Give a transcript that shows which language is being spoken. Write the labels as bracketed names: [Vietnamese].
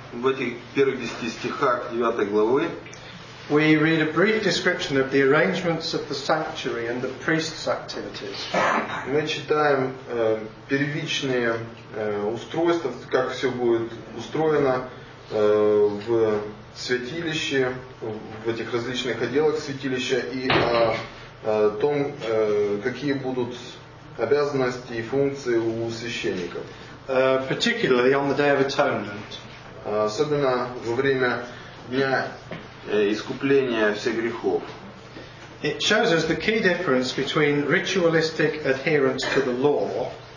[Russian] В этих первых 10 стихах 9 главы [English] we read a brief description of the arrangements of the sanctuary and the priest's activities. [Russian] Мы читаем первичные устройства, как все будет устроено в святилище, в этих различных отделах святилища и о том, какие будут обязанности и функции у священников. [English] Particularly on the Day of Atonement. [Russian] Особенно во время дня искупления всех грехов. [English] It shows us the key difference between ritualistic adherence to the law.